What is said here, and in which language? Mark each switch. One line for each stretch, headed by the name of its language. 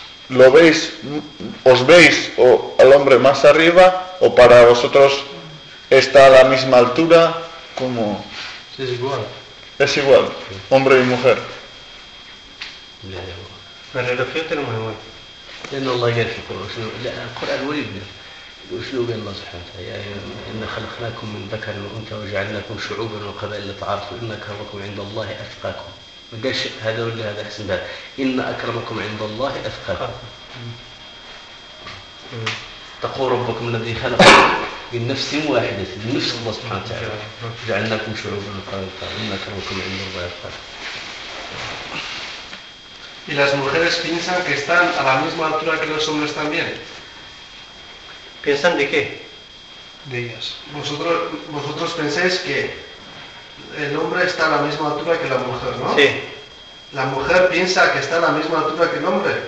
Spanish: ¿Lo veis, os veis o al hombre más arriba o para vosotros está a la misma altura como...? Es igual. Es igual, hombre y mujer. La relación tenemos igual.
Arabic: لأن الله يرفق وشنو لا القرآن وريد وشنو بين الله سبحانه يا إن خلقناكم من ذكر وأنثى وجعلناكم شعوبا وقبائل لتعارفوا إن أكرمكم عند الله أتقاكم مقاش هذا ولا هذا أحسن بهذا إن أكرمكم عند الله أتقاكم تقول ربكم الذي خلق من نفس واحدة من نفس الله سبحانه وتعالى جعلناكم شعوبا وقبائل لتعارفوا إن أكرمكم عند الله أتقاكم.
Spanish: ¿Y las mujeres piensan que están a la misma altura que los hombres también? ¿Piensan de qué? De ellas. ¿Vosotros pensáis que el hombre está a la misma altura que la mujer, no? Sí. ¿La mujer piensa que está a la misma altura que el hombre?